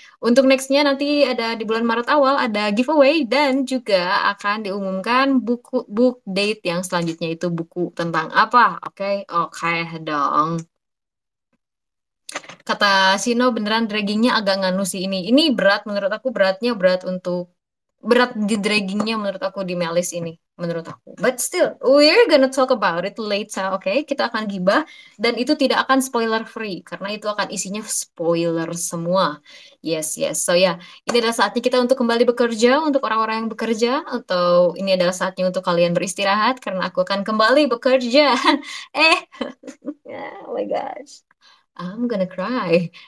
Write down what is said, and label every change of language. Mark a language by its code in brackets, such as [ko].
[id] Untuk nextnya nanti ada di bulan Maret awal, ada giveaway, dan juga akan diumumkan buku book date yang selanjutnya itu buku tentang apa. Okay, dong. Kata Sino, beneran draggingnya agak nganu sih ini. Ini berat menurut aku, berat di draggingnya menurut aku di Melis ini. Menurut aku, [en] but still we're gonna talk about it later, okay? [id] Kita akan gibah dan itu tidak akan spoiler free karena itu akan isinya spoiler semua. Yes. So ya, yeah. Ini adalah saatnya kita untuk kembali bekerja untuk orang-orang yang bekerja, atau ini adalah saatnya untuk kalian beristirahat karena aku akan kembali bekerja. [en] Yeah, oh my gosh, I'm gonna cry.